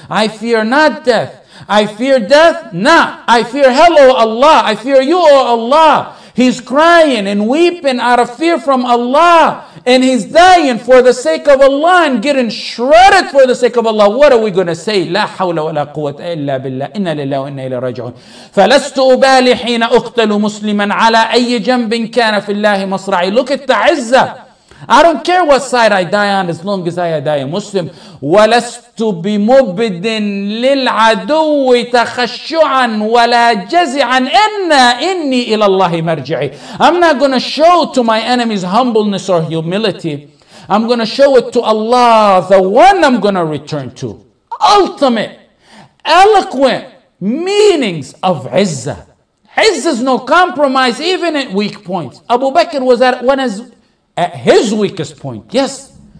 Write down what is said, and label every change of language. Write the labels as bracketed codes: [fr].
[en] I fear not death. I fear death? Nah. I fear hell, O Allah. I fear you, O Allah. He's crying and weeping out of fear from Allah. And he's dying for the sake of Allah and getting shredded for the sake of Allah. What are we going to say? [ar] لا حول ولا قوة إلا بالله. إنا لله وإنا إلى رجعون. فلست أبالي حين أقتل مسلما على أي جنب كان في الله مصرعي. [en] Look at the izzah. I don't care what side I die on, as long as I die a Muslim. [ar] ولست بمبد للعدو تخشعا ولا جزعا إنا إني إلى الله مرجعي. [en] I'm not going to show to my enemies humbleness or humility. I'm going to show it to Allah, the one I'm going to return to. Ultimate, eloquent meanings of izzah. Izzah is no compromise, even at weak points. Abu Bakr was at one as at his weakest point, yes.